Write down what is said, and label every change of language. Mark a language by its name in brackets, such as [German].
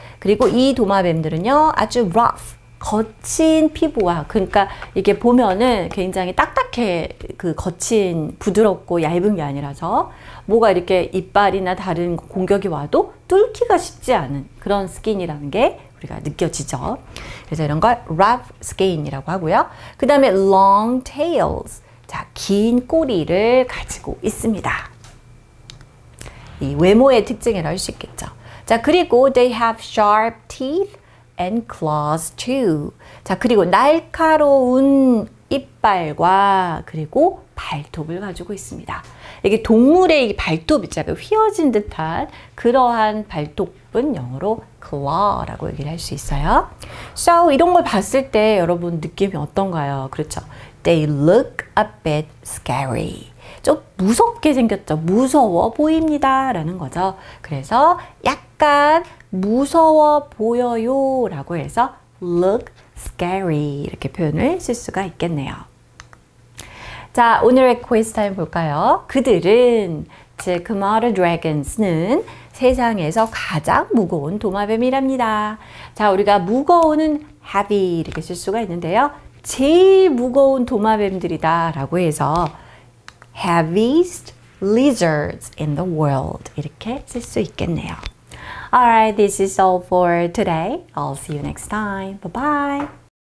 [Korean] 그리고 이 도마뱀들은요, 아주 rough, 거친 피부와, 그러니까 이게 보면은 굉장히 딱딱해, 그 거친, 부드럽고 얇은 게 아니라서 뭐가 이렇게 이빨이나 다른 공격이 와도 뚫기가 쉽지 않은 그런 스킨이라는 게 우리가 느껴지죠. 그래서 이런 걸 rough skin이라고 하고요. 그 다음에 long tails. 자, 긴 꼬리를 가지고 있습니다. 이 외모의 특징이라 할 수 있겠죠. 자, 그리고 [English] they have sharp teeth and claws too. [Korean] 자, 그리고 날카로운 이빨과 그리고 발톱을 가지고 있습니다. 이게 동물의 발톱 있잖아요. 휘어진 듯한 그러한 발톱은 영어로 claw라고 얘기를 할 수 있어요. So 이런 걸 봤을 때 여러분 느낌이 어떤가요? 그렇죠. [English] They look a bit scary. [Korean] 좀 무섭게 생겼죠. 무서워 보입니다. 라는 거죠. 그래서 약간 무서워 보여요. 라고 해서 look scary. 이렇게 표현을 쓸 수가 있겠네요. 자, 오늘의 퀴즈 타임 볼까요? 그들은, 즉, Komodo dragons는 세상에서 가장 무거운 도마뱀이랍니다. 자, 우리가 무거운은 heavy 이렇게 쓸 수가 있는데요. 제일 무거운 도마뱀들이다 라고 해서 [English] heaviest lizards in the world [Korean] 이렇게 쓸 수 있겠네요. [English] Alright, this is all for today. I'll see you next time. Bye-bye.